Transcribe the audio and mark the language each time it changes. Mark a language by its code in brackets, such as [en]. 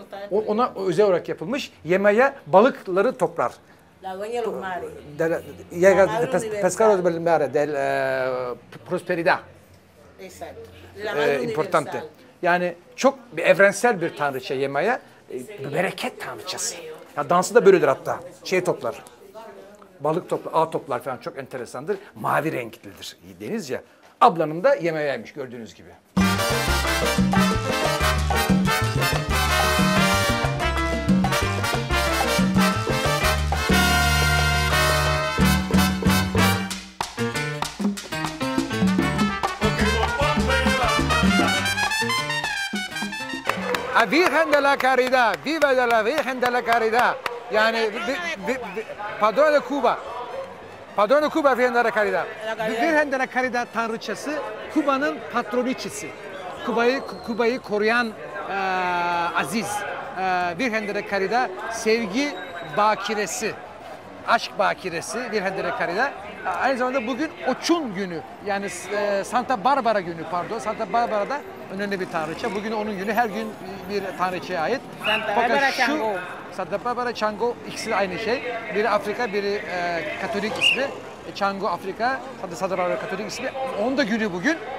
[tr] ona özel olarak yapılmış. Yemaya balıkları toplar. [es] La dueña del mar. Pescado del mar del prosperidad. Exacto. Importante. [tr] Yani çok bir evrensel bir tanrıça Yemaya. Bereket tanrıçası. Ya dansı da böyledir hatta. Şey toplar. Balık toplar, ağ toplar falan çok enteresandır. Mavi renklidir deniz ya. Ablanım da Yemaya'ymış gördüğünüz gibi. [es] Virgen de la Caridad, viva de la Virgen de la Caridad. Yani Padrona de Cuba. Padrona de Cuba, Virgen de la Caridad. [tr] Virgen de la Caridad tanrıçası, Kuba'nın patroniçesi. Kuba'yı koruyan aziz. Virgen de la Caridad, sevgi bakiresi. Aşk bakiresi Virgen de la Caridad. Aynı zamanda bugün Oçun günü, yani Santa Barbara günü, pardon. Santa Barbara'da önemli bir tanrıça. Bugün onun günü, her gün bir tanrıçaya ait. Santa Barbara Chango. Santa Barbara Chango, ikisi de aynı şey. Biri Afrika, biri Katolik ismi. Chango Afrika, Santa Barbara Katolik ismi. Onun da günü bugün.